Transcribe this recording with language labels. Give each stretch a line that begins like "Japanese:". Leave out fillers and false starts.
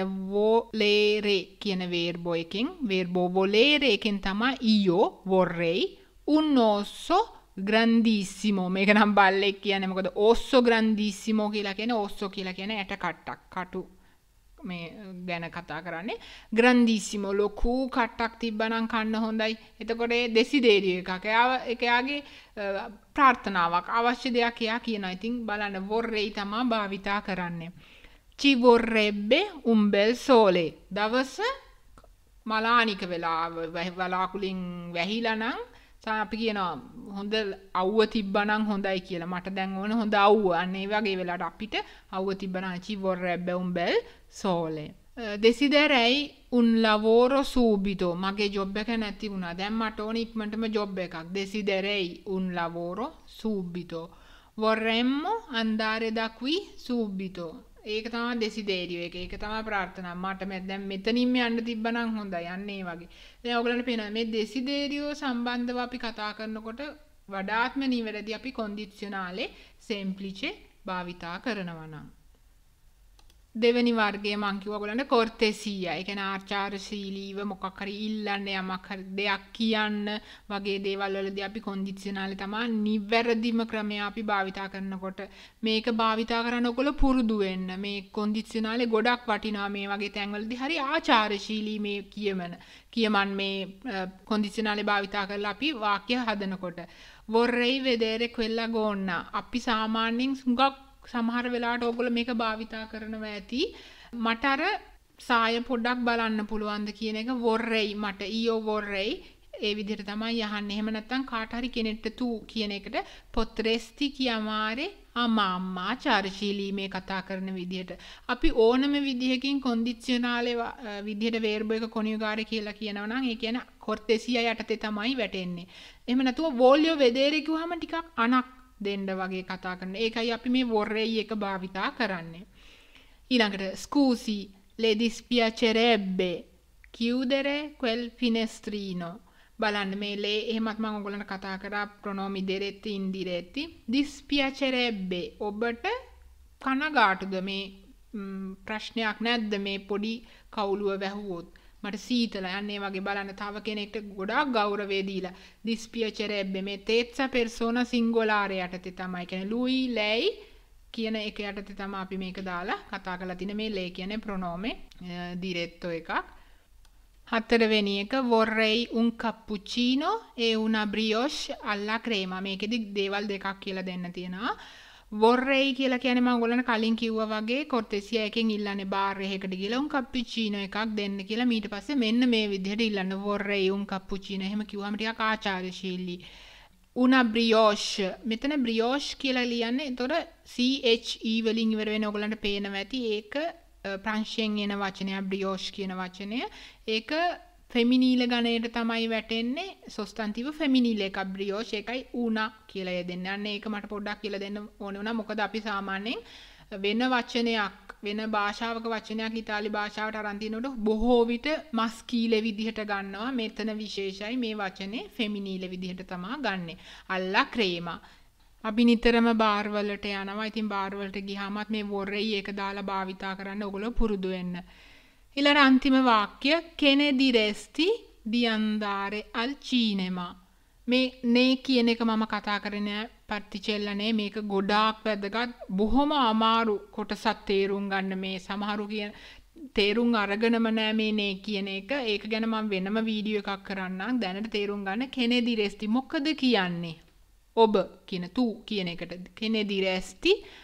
Sinhala: වොලේරෙ කියන verb එකෙන් verb volere එකෙන් තමයි
Italian: io vorrei un osso grandissimo.
Sinhala: මේක නම් බල්ලෙක් කියන්නේ. මොකද osso grandissimo කියලා කියන්නේ osso කියලා කියන්නේ ඇට කට්ටක්. කටු මේ ගැන කතා කරන්නේ. grandissimo ලොකු කට්ටක් තිබ්බනම් කන්න හොඳයි. එතකොට ඒ desiderio එකක්. එයාගේ ප්‍රාර්ථනාවක් අවශ්‍ය දෙයක් එයා කියනවා. ඉතින් බලන්න vorrei තමා භාවිතා කරන්නේ.
Italian: ci vorrebbe un bel sole.
Sinhala: දවස මලානික වෙලාව වලාකුලින් වැහිලා නම් අපි කියනවා හොඳ අවුව තිබ්බනම් හොඳයි කියලා. මට දැන් ඕන හොඳ අවුව. අන්න ඒ වගේ වෙලාවට අපිට අවුව තිබ්බනම්
Italian: ci vorrebbe un bel sole. desiderei un lavoro subito.
Sinhala: මගේ ජොබ් එක නැති වුණා. දැන් මට ඕන ඉක්මනටම ජොබ් එකක්.
Italian: desiderei un lavoro subito. vorremmo andare da qui subito.
Sinhala: ඒක තමයි desiderio එක. ඒක තමයි ප්‍රාර්ථනා. මට දැන් මෙතනින් යන්න තිබ්බනම් හොඳයි. අන්න ඒ වගේ. දැන් ඔයගලන්ට පේනවා මේ desiderio සම්බන්ධව අපි කතා කරනකොට වඩාත්ම නිවැරදි අපි condizionale semplice භාවිතා කරනවා නම්. දෙවෙනි වර්ගයේ මං කිව්වා ඔයගලන්ට cortesia. ඒ කියන්නේ ආචාරශීලීව මොකක් හරි ඉල්ලන්න යමක් හරි දෙයක් කියන්න වගේ දේවල් වලදී අපි condizionale තමයි නිවැරදිම ක්‍රමය අපි භාවිතා කරනකොට. මේක භාවිතා කරන්න ඔයගොල්ලෝ පුරුදු වෙන්න. මේ condizionale ගොඩක් වටිනවා මේ වගේ තැන්වලදී. හරි ආචාරශීලී මේ කියමන් මේ condizionale භාවිතා කරලා අපි වාක්‍ය හදනකොට.
Italian: vorrei vedere quella gonna.
Sinhala: අපි සාමාන්‍යයෙන් හුඟක් සමහර වෙලාවට ඔයගොල්ලෝ මේක භාවිතා කරනවා ඇති. මට අර සාය පොඩ්ඩක් බලන්න පුළුවන්ද කියන එක vorrei. මට io vorrei ඒ විදිහට තමයි යහන්. එහෙම නැත්නම් කාට හරි කෙනෙක්ට tu කියන එකට
Italian: potresti chiamare a mamma.
Sinhala: ආචාරශීලී මේ කතා කරන විදිහට අපි ඕනම විදිහකින් condizionale විදිහට verb එක coniugare කියලා කියනවා නම් ඒ කියන්නේ cortesia යටතේ තමයි වැටෙන්නේ. එහෙම නැතුව
Italian: voglio vedere
Sinhala: කිව්වම ටිකක් අනක් දෙන්න වගේ කතා කරන. ඒකයි අපි මේ vorrei එක භාවිතා කරන්නේ.
Italian: ඊළඟට scusi le dispiacerebbe chiudere quel finestrino.
Sinhala: බලන්න මේ le එහෙමත් මම ඔයගලන්ට කතා කරා pronomi diretti indiretti. dispiacerebbe ඔබට කනගාටුද මේ ප්‍රශ්නයක් නැද්ද මේ පොඩි කවුලුව වැහුවොත් මට සීතල යන්නේ වගේ බලන්න තව කෙනෙක්ට ගොඩාක් ගෞරවේ දීලා dispiacerebbe මේ terza persona singolare යටතේ තමයි කියන්නේ lui lei කියන එක යටතේ තමයි අපි මේක දාලා කතා කරලා තින මේ lei කියන්නේ pronome diretto එකක්. හතරවෙනි එක
Italian: vorrei un cappuccino e una brioche alla crema.
Sinhala: මේකෙදි දේවල් දෙකක් කියලා දෙන්න තියෙනවා. vorrei කියලා කියන්නේ මම ඔයගොල්ලන්ට කලින් කිව්වා වගේ cortesia එකෙන් ඉල්ලන්නේ බාර් එකකට ගිහලා un cappuccino එකක් දෙන්න කියලා. ඊට පස්සේ මෙන්න මේ විදිහට ඉල්ලන්න
Italian: vorrei un cappuccino.
Sinhala: එහෙම කිව්වම ටිකක් ආචාරශීලී. una brioche. මෙතන brioche කියලා ලියන්නේ එතකොට CHE වලින් ඉවර වෙන ඔයගොල්ලන්ට පේනවා ඇති. ඒක ප්‍රංශයෙන් එන වචනය brioche කියන වචනය. ඒක ෆෙමිනීල ගණයට තමයි වැටෙන්නේ. සොස්ටන්ටිව ෆෙමිනීල එක බ්‍රියෝෂ් එකයි ඌනා කියලා යෙදෙන්නේ. අන්න ඒක මට පොඩ්ඩක් කියලා දෙන්න ඕනේ වුණා. මොකද අපි සාමාන්‍යයෙන් වෙන වචනයක් වෙන භාෂාවක වචනයක් ඉතාලි භාෂාවට අරන් දිනනකොට බොහෝ විට මස්කීල විදිහට ගන්නවා. මෙතන විශේෂයි මේ වචනේ ෆෙමිනීල විදිහට තමයි ගන්නෙ. අල්ලා ක්‍රේමා. අපි නිතරම බාර් වලට යනවා. ඉතින් බාර් වලට ගියාමත් මේ වොරෙයි එක දාලා භාවිතා කරන්න ඕගොල්ලෝ පුරුදු වෙන්න.
Italian: ඊළඟ අන්තිම වාක්‍ය che ne diresti di andare al cinema.
Sinhala: මේ නේ කියන එක මම කතා කරන්නේ පටිචෙල්ල නේ. මේක ගොඩාක් වැදගත්. බොහොම අමාරු කොටසක් තේරුම් ගන්න. මේ සමහරු කියන තේරුම් අරගෙනම නෑ මේ නේ කියන එක. ඒක ගැන මම වෙනම වීඩියෝ එකක් කරන්නම්. දැනට තේරුම් ගන්න
Italian: che ne diresti
Sinhala: මොකද කියන්නේ. ඔබ කියන තු කියන එකට che ne diresti